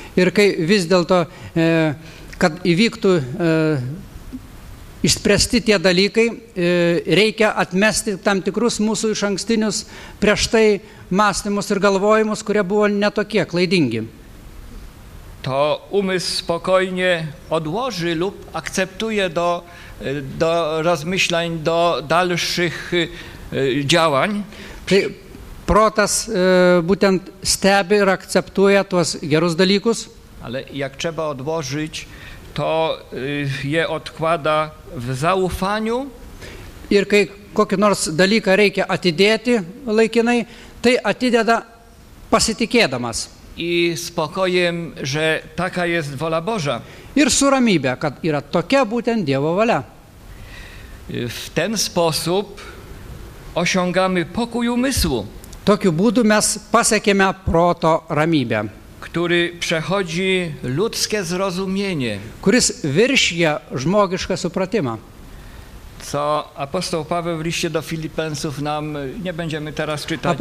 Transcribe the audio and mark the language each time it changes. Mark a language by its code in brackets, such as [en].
[lt] ir kai vis dėlto, kad įvyktų išspręsti tie dalykai, reikia atmesti tam tikrus mūsų iš ankstinius prieš tai mąstymus ir galvojimus, kurie buvo netokie klaidingi. [pl] To umysł spokojnie odłoży lub akceptuje do rozmyślań, do dalszych działań. [lt] Tai protas būtent stebi ir akceptuje tuos gerus dalykus. [pl] Ale jak trzeba odłożyć, to je odkłada w zaufaniu. [lt] Ir kai kokį nors dalyką reikia atidėti laikinai, tai atideda pasitikėdamas. [pl] I spokojem, że taka jest wola Boża. [lt] Ir su ramybė, kad yra tokia būtent Dievo valia. [pl] W ten sposób osiągamy pokój umysłu. [lt] Tokiu būdu mes pasiekėme proto ramybę, [pl] który przechodzi ludzkie zrozumienie, [lt] kuris viršija žmogišką supratimą. [pl] co apostoł Paweł w liście do Filipensów nam, nie będziemy teraz czytać.